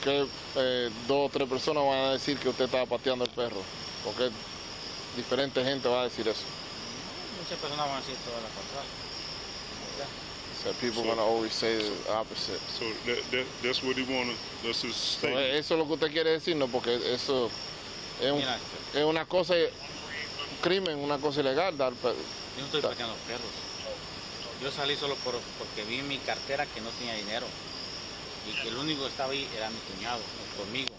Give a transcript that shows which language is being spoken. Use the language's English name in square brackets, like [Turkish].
[Spanish] Porque dos o tres personas van a decir que usted estaba pateando el perro. Porque diferente gente va a decir eso. Muchas personas van a decir todo lo contrario. [English] Yeah. So people are going to always say the opposite. So that's what he wanted. That's his statement. So, [Spanish] eso es lo que usted quiere decir, ¿no? Porque eso. Es una cosa, un crimen, una cosa ilegal dar perros. Yo no estoy pateando perros. Yo salí solo porque vi en mi cartera que no tenía dinero. Y que el único que estaba ahí era mi cuñado, conmigo.